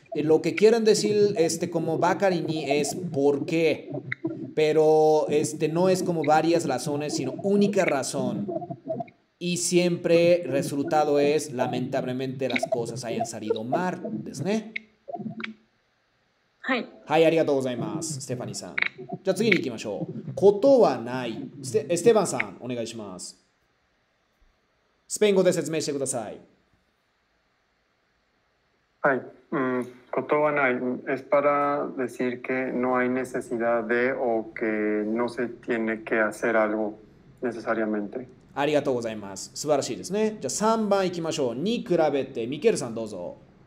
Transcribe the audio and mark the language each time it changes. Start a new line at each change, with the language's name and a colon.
Spanish: Lo que quieren decir, como Bacarini, es por qué. Pero no es como varias razones, sino única razón. Y siempre resultado es, lamentablemente, las cosas hayan salido mal, desne.
Japanese: Hi. Hi, arigatou gozaimasu, Stephanie-san. じゃあ次に行きましょう。ことはない。ステバンさん、お願いします。スペイン語で説明してください。はい。ことはない。
Spanish: Es para decir que no hay necesidad de o que no se tiene que hacer algo necesariamente.
Japanese: ありがとうございます。素晴らしいですね。じゃあ3番行きましょう。に比べて、ミケルさんどうぞ。